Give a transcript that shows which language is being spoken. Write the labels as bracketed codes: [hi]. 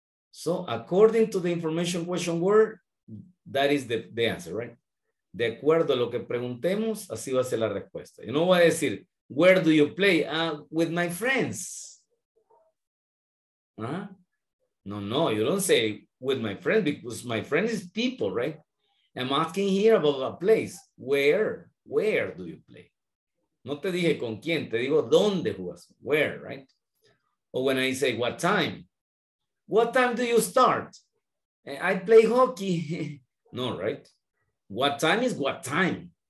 [en] So, according to the information question word, that is the answer, right? [es] De acuerdo a lo que preguntemos, así va a ser la respuesta. Yo no voy a decir, [en] where do you play? With my friends. Huh? No, no, you don't say with my friends because my friend is people, right? I'm asking here about a place. Where do you play? [es] No te dije con quién, te digo dónde jugas. [en] Where, right? Or when I say, what time? What time do you start? I play hockey. No, right? What time is what time?